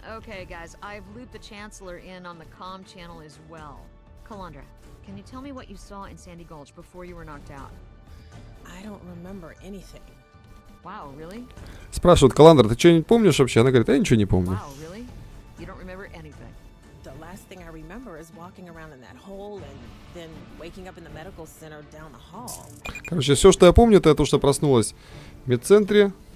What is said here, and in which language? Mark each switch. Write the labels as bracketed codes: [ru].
[en] Okay, guys, I've looped the chancellor in on the comm channel as well. Каландра, can you tell me what you saw in Sandy Gulch before you were knocked out? I don't remember anything. Wow, really? [ru] Спрашивают, Каландра, ты что-нибудь помнишь вообще? Она говорит, я ничего не помню. [en] Wow, really? You don't remember anything. The last thing I remember is walking around in that hole and then waking up in the medical center down the hall. [ru] Короче, все, что я помню, это то, что проснулась в медцентре.